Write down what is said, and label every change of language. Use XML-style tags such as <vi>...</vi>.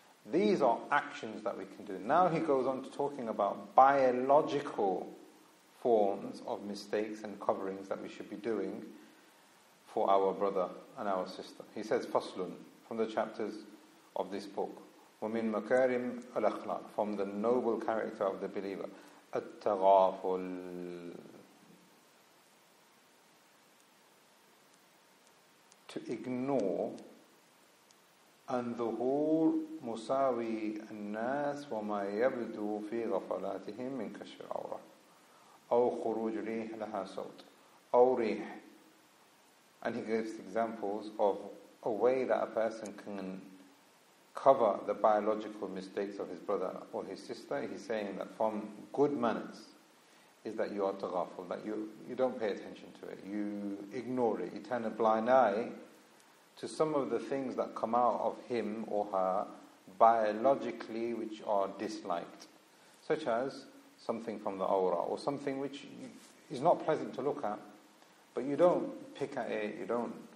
<en>These are actions that we can do. Now he goes on to talking about biological forms of mistakes and coverings that we should be doing for our brother and our sister. He says, Faslun, from the chapters of this book,</en> <ar>وَمِن مَكَارِمْ الْأَخْلَاقِ,</ar> <en>from the noble character of the believer, التغافل. To ignore,</en> <ar>الظهور مساوي الناس وما يبدو في غفلاتهم من كشف العورة أو خروج ريح لها صوت أو ريح.</ar> <en>And he gives examples of a way that a person can cover the biological mistakes of his brother or his sister. He's saying that from good manners is that you are taghaful, that you don't pay attention to it, you ignore it, you turn a blind eye to some of the things that come out of him or her biologically which are disliked, such as something from the aura or something which is not pleasant to look at, but you don't pick at it, you don't</en>